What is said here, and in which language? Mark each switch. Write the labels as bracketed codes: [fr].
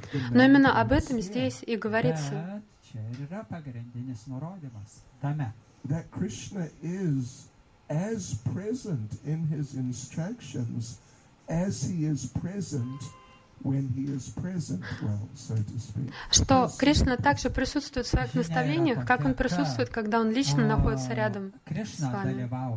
[ru] Но именно об этом здесь и говорится. [en] That Krishna is as present in his instructions as he is present when he is present, well, so to speak. [ru] Что Кришна также присутствует в своих наставлениях, как он присутствует, когда он лично находится рядом с вами.